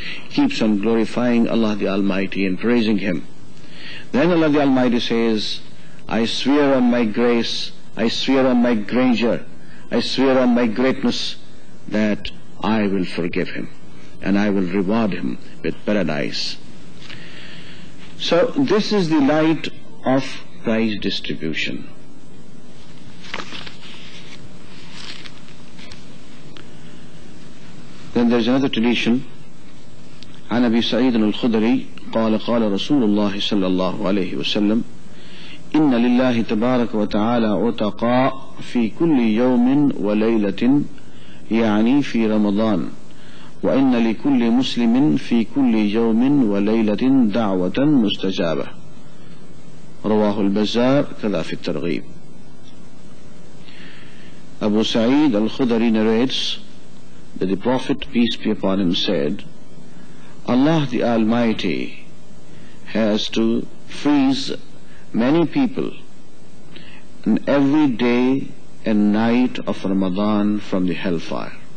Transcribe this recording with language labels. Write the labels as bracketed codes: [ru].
[en] Keeps on glorifying Allah the Almighty and praising Him. Then Allah the Almighty says, I swear on my grace, I swear on my grandeur, I swear on my greatness that I will forgive him and I will reward him with paradise. So this is the night of prize distribution. Then there's another tradition. [ar] عن أبي سعيد الخدري قال قال رسول الله صلى الله عليه وسلم إن لله تبارك وتعالى عتقاء في كل يوم وليلة يعني في رمضان وإن لكل مسلم في كل يوم وليلة دعوة مستجابة رواه البزار كذا في الترغيب. [en] أبو سعيد الخدري narrates that the Prophet peace be upon him said, Allah the Almighty has to freeze many people in every day and night of Ramadan from the hellfire.